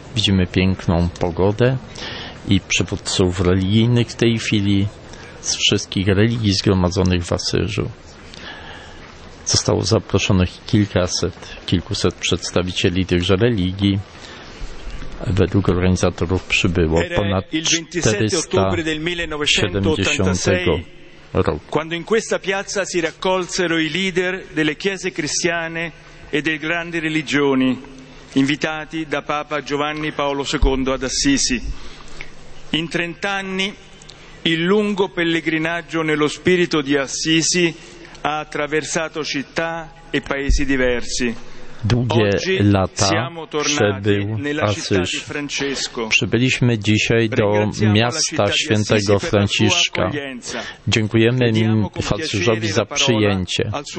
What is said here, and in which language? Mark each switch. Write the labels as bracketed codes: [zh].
[pl] Widzimy piękną pogodę i przywódców religijnych w tej chwili z wszystkich religii zgromadzonych w Asyżu. Zostało zaproszonych kilkuset przedstawicieli tychże religii. Według organizatorów przybyło ponad 470 roku. [it] Quando in questa piazza si raccolsero i leader delle chiese cristiane e delle grandi religioni, invitati da Papa Giovanni Paolo II ad Assisi. In 30 anni il lungo pellegrinaggio nello spirito di Assisi ha attraversato città e paesi diversi. [pl] Długie lata przebył Asyż. Przybyliśmy dzisiaj do miasta świętego Franciszka. Dziękujemy Asyżowi za przyjęcie.